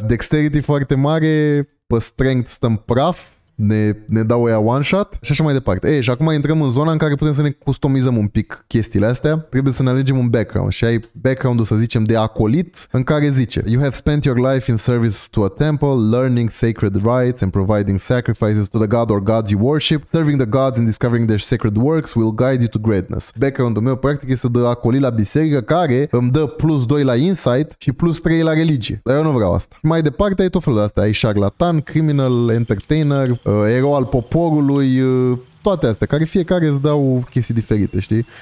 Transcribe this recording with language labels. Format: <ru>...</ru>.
<ro>Dexterity foarte mare, pe strength stăm praf, ne dau aia one shot și așa mai departe. Și acum intrăm în zona în care putem să ne customizăm un pic chestiile astea.</ro> <en>Trebuie să ne alegem un background și ai background-ul, să zicem, de acolit, în care zice: "You have spent your life in service to a temple, learning sacred rites and providing sacrifices to the god or gods you worship. Serving the gods and discovering their sacred works will guide you to greatness."</en> <ro>Background-ul meu practic este de acolit la biserică, care îmi dă plus 2 la insight și plus 3 la religie. Dar eu nu vreau asta. Mai departe ai tot felul de astea. Ai șarlatan, criminal, entertainer, erou al poporului, toate astea, care fiecare îți dau chestii diferite, știi?</ro>